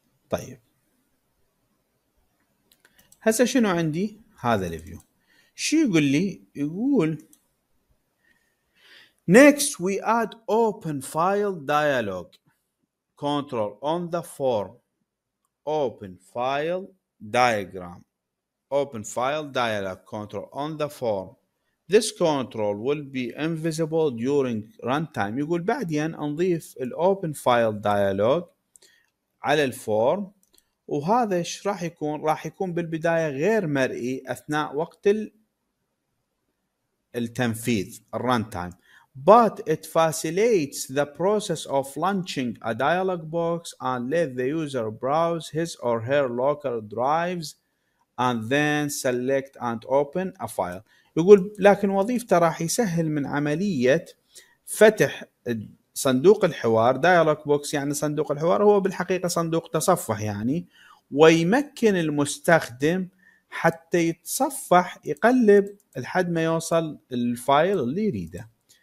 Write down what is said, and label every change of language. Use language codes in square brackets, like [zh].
[ar] طيب هسه شنو عندي هذا الفيو؟ شو يقول لي؟ يقول [en] next we add open file dialog control on the form open file diagram open file dialog control on the form this control will be invisible during runtime. [ar] يقول بعدين نضيف ال open file dialog على الفورم، وهذا ايش راح يكون؟ راح يكون بالبداية غير مرئي اثناء وقت التنفيذ runtime. [en] But it facilitates the process of launching a dialog box and let the user browse his or her local drives and then select and open a file. [ar] يقول لكن وظيفته راح يسهل من عملية فتح صندوق الحوار dialog box، يعني صندوق الحوار هو بالحقيقة صندوق تصفح يعني، ويمكن المستخدم حتى يتصفح يقلب لحد ما يوصل الفايل اللي يريده.